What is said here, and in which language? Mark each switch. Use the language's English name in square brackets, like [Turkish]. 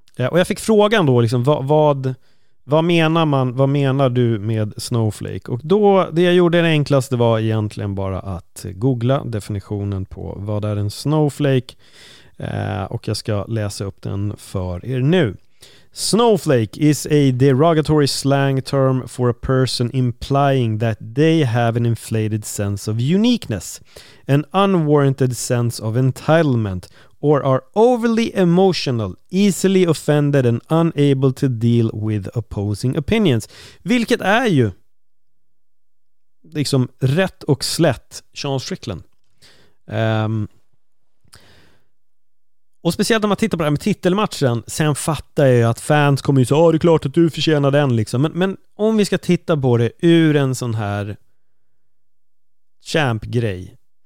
[Swedish] Och jag fick frågan då liksom, vad menar du med snowflake? Och då, det jag gjorde det enklaste var egentligen bara att googla definitionen på vad är en snowflake. Och jag ska läsa upp den för er nu. [English] Snowflake is a derogatory slang term for a person implying that they have an inflated sense of uniqueness, an unwarranted sense of entitlement, or are overly emotional, easily offended and unable to deal with opposing opinions. [Swedish] Vilket är ju liksom rätt och slätt Sean Strickland. Och speciellt om man tittar på det här med titelmatchen, sen fattar jag ju att fans kommer ju säga: det är klart att du förtjänar den liksom. Men om vi ska titta på det ur en sån här champ-grej.